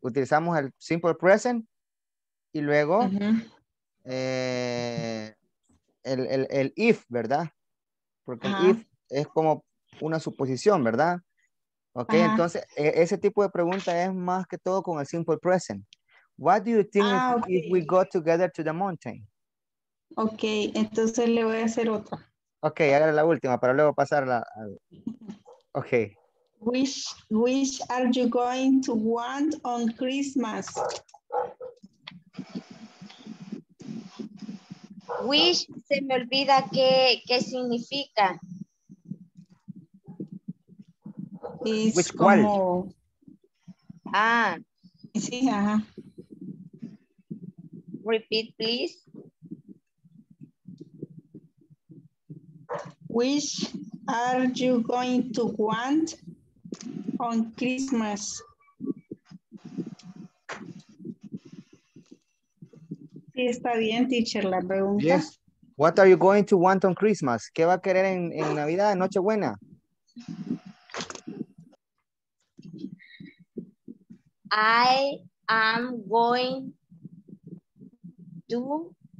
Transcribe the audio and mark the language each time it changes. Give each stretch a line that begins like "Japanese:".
Spanish: Utilizamos el simple present y luego el if, ¿verdad? Porque el if es como una suposición, ¿verdad? Ok, entonces ese tipo de pregunta es más que todo con el simple present.
English: What do you think if we go together to the mountain?
Spanish: Ok, entonces le voy a hacer otra. Ok, hágale la última para luego pasarla. Ok.
English: Which are you going to want on Christmas?
Spanish: Wish, se me olvida qué significa. Es which como, one? Ah. Sí, ajá.
English: Repeat, please. Which are you going to want on Christmas?
Spanish: Sí, está bien, teacher, la pregunta.
English: Yes. What are you going to want on Christmas?
Spanish: ¿Qué va a querer en Navidad, en Nochebuena?
English: I am going to